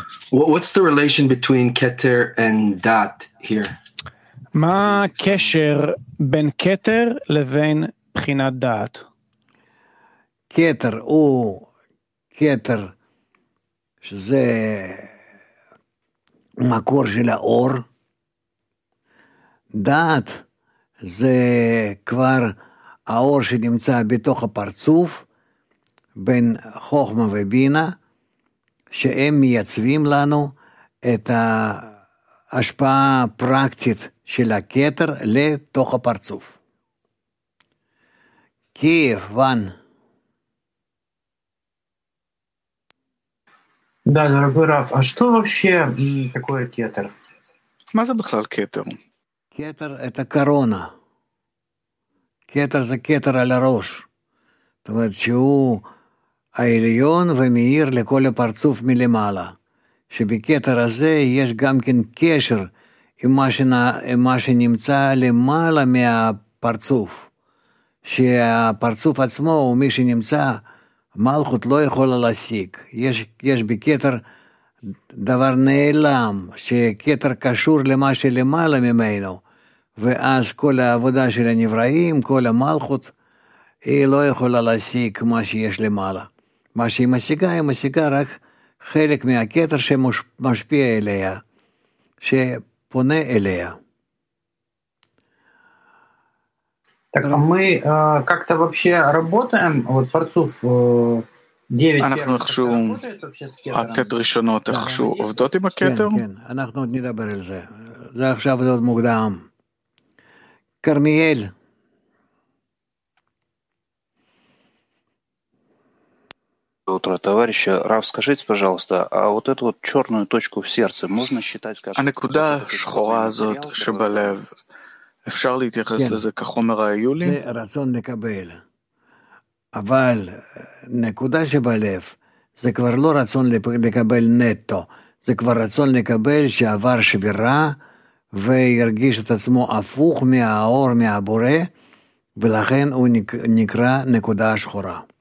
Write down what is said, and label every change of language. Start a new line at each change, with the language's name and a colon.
English: What's the relation between Keter and Dat here?
Hebrew: מה הקשר בין Keter לבין בחינת Dat? Keter הוא Keter שזה מקור של האור. Dat זה כבר האור שנמצא בתוך הפרצוף, בין חוכמה ובינה, שהם מייצבים לנו את ההשפעה הפרקטית של הכתר לתוך הפרצוף. כיף, ון.
Russian: да, дорогой Раф, а что вообще такое кетер?
Hebrew: מה זה בכלל כתר?
Russian: כתר это корона.
Hebrew: כתר זה כתר על הראש. זאת אומרת שהוא העליון ומאיר לכל הפרצוף מלמעלה. שבכתר הזה יש גם כן קשר עם מה שנמצא למעלה מהפרצוף. שהפרצוף עצמו הוא מי שנמצא, מלכות לא יכולה להשיג. יש בכתר דבר נעלם, שכתר קשור למה שלמעלה ממנו. ואז כל העבודה של הנבראים, כל המלכות, היא לא יכולה להשיג מה שיש למעלה. מה שהיא משיגה, היא משיגה רק חלק מהכתר שמשפיע אליה, שפונה אליה.
Russian: так, мы как-то вообще работаем, вот פרצוף 9.
Hebrew: אנחנו איכשהו, התת ראשונות איכשהו עובדות עם הכתר? כן, כן, אנחנו עוד נדבר על זה. זה עכשיו עוד מוקדם. כרמיאל.
Russian: Утро, товарищи. Раф, скажите, пожалуйста, а вот эту вот чёрную точку в сердце можно считать, скажем,
Hebrew: הנקודה השחורה הזאת שבלב, אפשר להתייחס לזה כחומר היולי? זה רצון לקבל. אבל נקודה שבלב, זה כבר לא רצון לקבל נטו, זה כבר רצון לקבל שעבר שבירה, וירגיש את עצמו הפוך מהאור, מהבורא, ולכן הוא נקרא נקודה שחורה.